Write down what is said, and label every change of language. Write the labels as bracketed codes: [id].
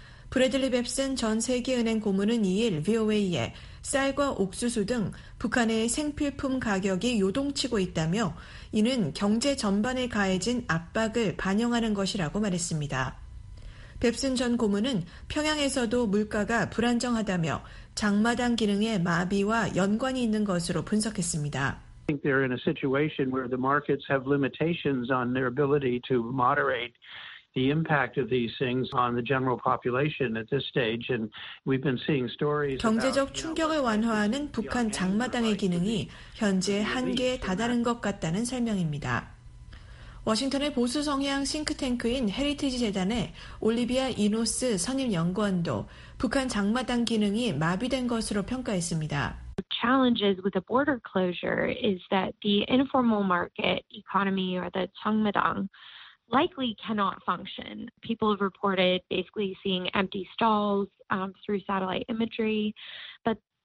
[ko] 브래들리 뱁슨 전 세계은행 고문은 2일 VOA에 쌀과 옥수수 등 북한의 생필품 가격이 요동치고 있다며 이는 경제 전반에 가해진 압박을 반영하는 것이라고 말했습니다. 뱁슨 전 고문은 평양에서도 물가가 불안정하다며 장마당 기능의 마비와 연관이 있는 것으로 분석했습니다. [en] I think they're in a situation where the markets have limitations on their ability to moderate the impact of these things on the general population at this stage, and we've been seeing stories. [ko] 경제적 충격을 완화하는 북한 장마당의 기능이 현재 한계에 다다른 것 같다는 설명입니다. 워싱턴의 보수 성향 싱크탱크인 헤리티지 재단의 올리비아 이노스 선임 연구원도 북한 장마당 기능이 마비된 것으로 평가했습니다. [en] Challenges with the border closure is that the informal market economy or the 장마당 likely cannot function. People have reported basically seeing empty stalls through satellite imagery, but